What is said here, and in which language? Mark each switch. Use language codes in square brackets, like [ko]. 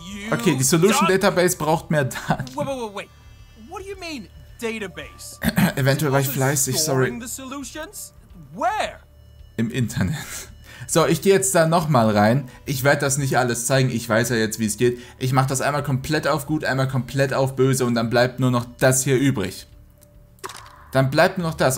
[de] Okay, die Solution Database braucht mehr Daten. [en] Wait. What do you mean, database? [de] Eventuell war ich fleißig, sorry. [en] Where? [de] Im Internet. So, ich gehe jetzt da nochmal rein. Ich werde das nicht alles zeigen. Ich weiß ja jetzt, wie es geht. Ich mache das einmal komplett auf gut, einmal komplett auf böse und dann bleibt nur noch das hier übrig. Dann bleibt nur noch das.